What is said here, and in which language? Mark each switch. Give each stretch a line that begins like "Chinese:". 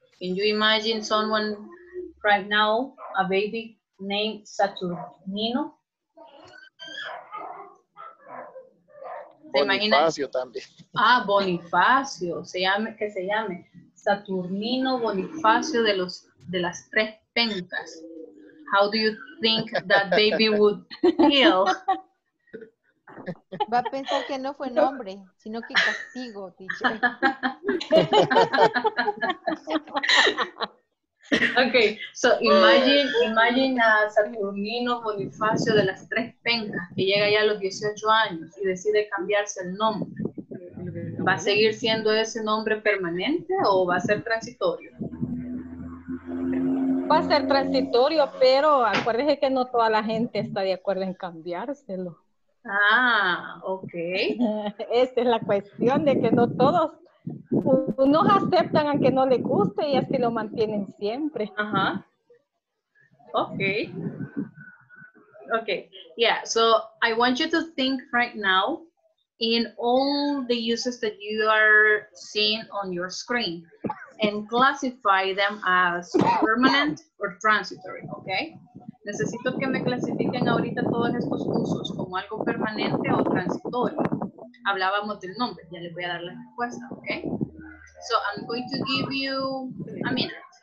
English: Can you imagine someone right now, a baby named Saturnino?
Spanish: Bonifacio también. Ah, Bonifacio, se llame, que se llame. Saturnino Bonifacio de los de las tres pencas.
English: How do you think that baby would feel?
Spanish: Va a pensar que no fue nombre, sino que castigo, teacher.
English: Okay, so imagine a
Spanish: Saturnino Bonifacio de las tres pencas que llega ya a los 18 años y decide cambiarse el nombre. ¿Va a seguir siendo ese nombre permanente o va a ser transitorio? Va a ser transitorio, pero acuérdese que no toda la gente está de acuerdo en cambiárselo. Ah, ok. Esa es la cuestión, de que no todos, unos aceptan aunque no les guste y así lo mantienen siempre. Ajá. Ok. Ok.
English: Yeah, so I want you to think right now in all the uses that you are seeing on your screen and classify them as permanent or transitory, okay?
Spanish: Necesito que me clasifiquen ahorita todos estos usos como algo permanente o transitorio. Hablábamos del nombre, ya les voy a dar la respuesta, okay?
English: So I'm going to give you a minute.